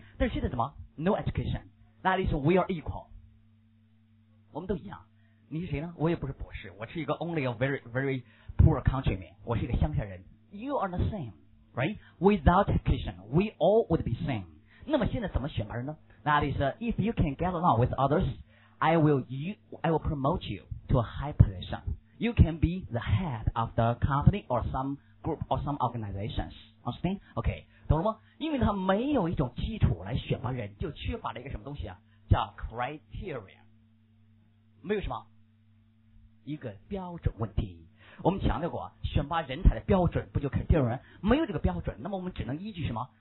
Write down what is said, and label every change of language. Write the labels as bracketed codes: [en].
[zh] 但是现在什么 ？ [en] No education， that is we are equal， [zh] 我们都一样。你是谁呢？我也不是博士，我是一个 [en] only a very very poor countryman， [zh] 我是一个乡下人。 [en] You are the same, right? Without education, we all would be same. [zh] 那么现在怎么选拔人呢？ [en] That is, if you can get along with others, I will promote you to a high position. You can be the head of the company or some group or some organizations. Understand? Okay, [zh] 懂了吗？因为他没有一种基础来选拔人，就缺乏了一个什么东西啊？叫 criteria， 没有什么一个标准问题。我们强调过，选拔人才的标准不就肯定人没有这个标准，那么我们只能依据什么？